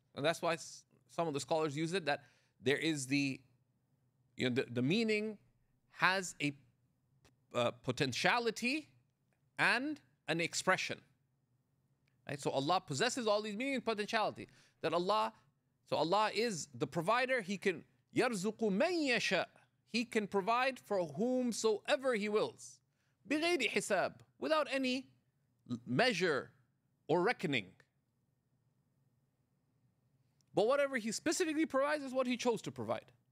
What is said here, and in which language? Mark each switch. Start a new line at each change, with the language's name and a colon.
English: And that's why some of the scholars use it, that there is the, you know, the meaning has a potentiality and an expression. Right? So Allah possesses all these meaning and potentiality. That Allah, so Allah is the provider. He can
Arabic: يَرْزُقُ مَنْ يَشَاءُ.
English: He can provide for whomsoever he wills.
Arabic: بِغَيْرِ حِسَابٍ.
English: Without any measure or reckoning. But whatever he specifically provides is what he chose to provide.